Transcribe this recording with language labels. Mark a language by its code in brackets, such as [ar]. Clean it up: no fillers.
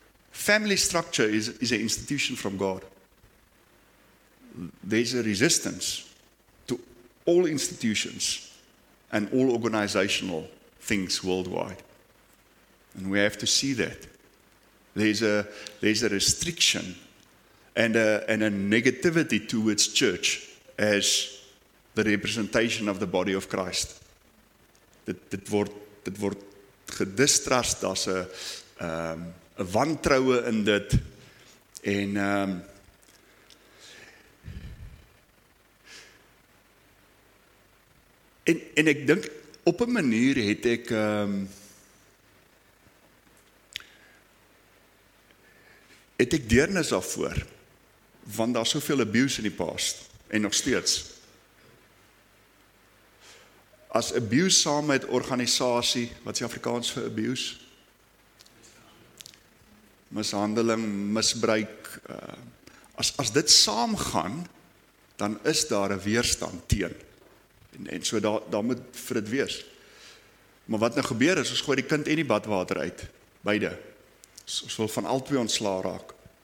[en] Family structure is an institution from God. There's a resistance all institutions and all organizational things worldwide. And we have to see that. There's a restriction and a negativity towards church as the representation of the body of Christ. [af] Dit word gedistrust, daar's 'n wantroue in dit en En ek dink op 'n manier het ek deernis daarvoor, want daar's soveel abuse in die past en nog steeds. As abuse saam met organisasie, wat is die Afrikaans vir abuse? Mishandeling, misbruik, as dit saamgaan, dan is daar 'n weerstand teen. En so daar moet vir dit wees. Maar wat nou gebeur is, ons gooi die kind en die badwater uit, beide. Ons wil van al twee ontsla raak.